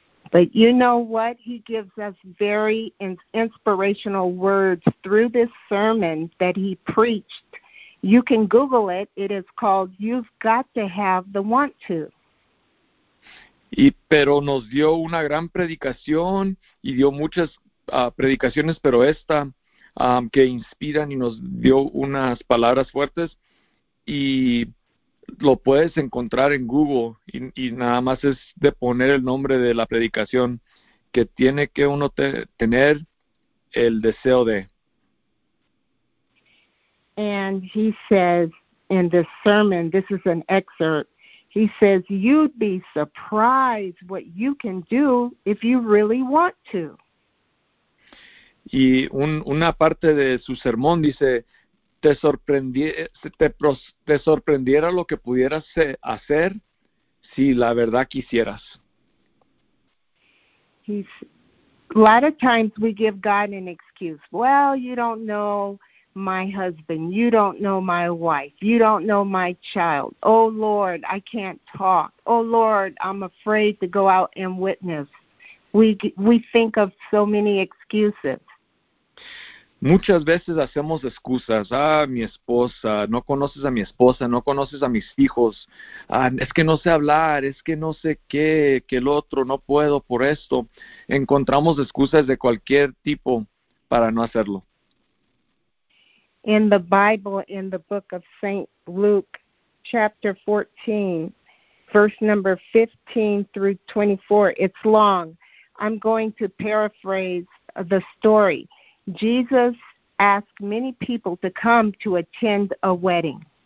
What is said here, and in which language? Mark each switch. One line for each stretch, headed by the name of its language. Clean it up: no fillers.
English: But you know what? He gives us very inspirational words through this sermon that he preached. You can Google it. It is called You've Got to Have the Want to.
Spanish: Pero nos dio una gran predicación y dio muchas predicaciones, pero esta que inspiran y nos dio unas palabras fuertes y lo puedes encontrar en Google y nada más es de poner el nombre de la predicación que tiene que uno tener el deseo de.
English: And he says in this sermon, this is an excerpt, he says, you'd be surprised what you can do if you really want to.
Spanish: Y una parte de su sermón dice, te sorprendiera lo que pudieras hacer si la verdad quisieras.
English: A lot of times we give God an excuse. Well, you don't know my husband. You don't know my wife. You don't know my child. Oh, Lord, I can't talk. Oh, Lord, I'm afraid to go out and witness. We think of so many excuses.
Spanish: Muchas veces hacemos excusas. Ah, mi esposa, no conoces a mi esposa, no conoces a mis hijos. Ah, es que no sé hablar, es que no sé qué, que el otro, no puedo por esto. Encontramos excusas de cualquier tipo para no hacerlo.
English: In the Bible, in the book of St. Luke, chapter 14, verse number 15 through 24, it's long. I'm going to paraphrase the story. Jesus asked many people to come to attend a wedding.